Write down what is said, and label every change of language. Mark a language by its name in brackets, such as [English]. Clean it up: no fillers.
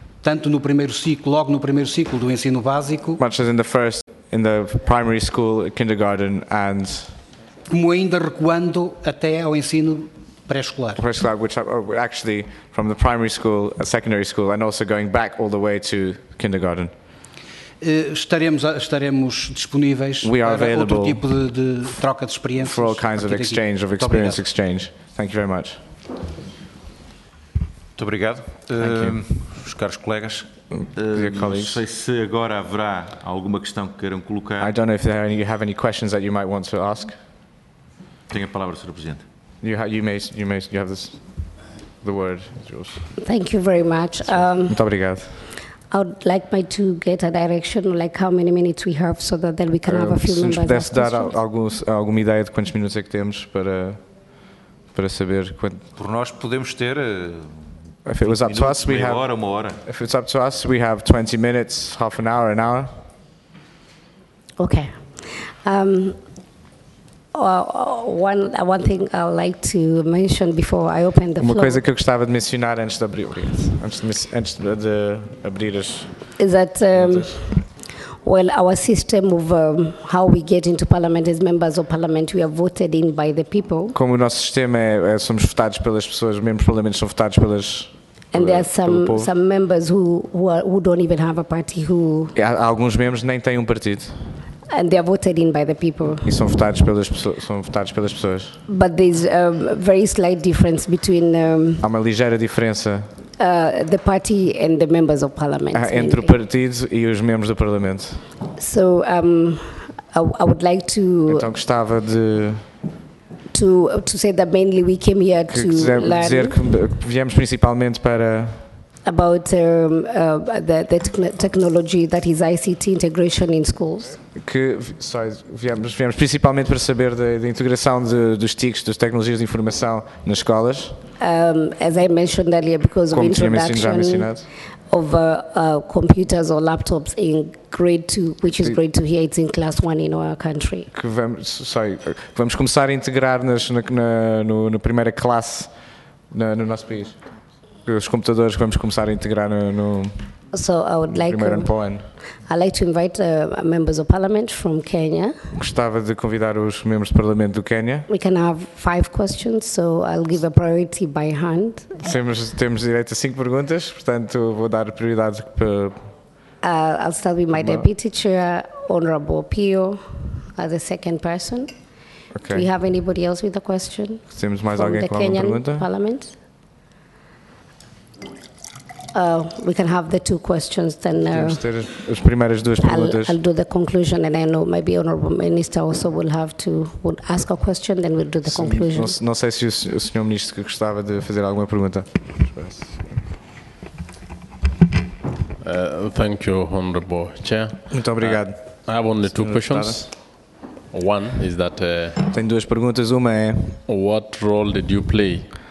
[Portuguese] Tanto no primeiro ciclo, logo no primeiro ciclo do ensino básico. [English] Much as in the primary school, kindergarten, and [Portuguese] como ainda recuando até ao ensino pré-escolar. [English] Pre-escolar, which actually from the primary school, secondary school, and also going back all the way to kindergarten. [Portuguese] Estaremos disponíveis para outro tipo de troca de experiências. [English] For all kinds of exchange, Of experience exchange. Thank you very much. [Portuguese] Muito obrigado. Os caros colegas. Não sei se agora haverá alguma questão que queiram colocar. [English] I don't know if there are any, you have any questions that you might want to ask. [Portuguese] Tenho a palavra, Sr. Presidente. [English] You have this, the word. It's yours. Thank you very much. [Portuguese] Muito obrigado. [English] I would like my to get a direction, like how many minutes we have, so that then we can have a few members. [Portuguese] Se nos pudesse dar alguma ideia de quantos minutos é que temos para saber quanto. Por nós podemos ter. [English] If it was up to us, we have. If it's up to us, we have 20 minutes, half an hour, an hour. Okay. One thing I'd like to mention before I open the floor. [Portuguese] Uma coisa que eu gostava de mencionar antes de abrir, antes de abrir as. [English] Is that well, our system of how we get into parliament as members of parliament, we are voted in by the people. [Portuguese] Como o nosso sistema é, somos votados pelas pessoas, membros do parlamento são votados pelas. [English] And there are some members who don't even have a party who. [Portuguese] Alguns membros nem têm partido. [English] And they are voted in by the people. [Portuguese] E são votados pelas pessoas. [English] But there's a very slight difference between. [Portuguese] Há uma ligeira diferença. [English] The party and the members of parliament. [Portuguese] Entre o partido e os membros do parlamento. [English] So I would like to. [Portuguese] Então gostava de. [English] To say that mainly we came here [Portuguese] que [English] to dizer, learn. [Portuguese] Dizer que viemos principalmente para. [English] About the technology that is ICT integration in schools. [Portuguese] Que só viemos principalmente para saber da integração dos TICs, das tecnologias de informação nas escolas. [English] As I mentioned earlier, because [Portuguese] como [English] of introduction of computers or laptops in grade 2, which is grade 2 here, it's in class 1 in our country. [Portuguese] Que vamos começar a integrar na primeira classe no nosso país. Os computadores que vamos começar a integrar primeiro ano para o ano. [English] I'd like to invite members of parliament from Kenya. [Portuguese] Gostava de convidar os membros do parlamento do Quênia. [English] We can have 5 questions, so I'll give a priority by hand. [Portuguese] Temos direito a 5 perguntas, portanto vou dar prioridade para. [English] I'll start with my deputy chair, Honorable Pio, as a second person. Okay. Do you have anybody else with a question? [Portuguese] Temos mais alguém com alguma pergunta? [English] Parliament? We can have the 2 questions then. [Portuguese] As primeiras duas perguntas. [English] I'll do the conclusion and then maybe Honourable Minister also will ask a question, then we'll do the conclusion. [Portuguese] Não sei se o Senhor Ministro gostava de fazer alguma pergunta. [English] Thank you, Honourable Chair. [Portuguese] Muito obrigado. [English] I have only 2 questions. One is that. [Portuguese] Tenho duas perguntas. Uma é. [English] What role did you play?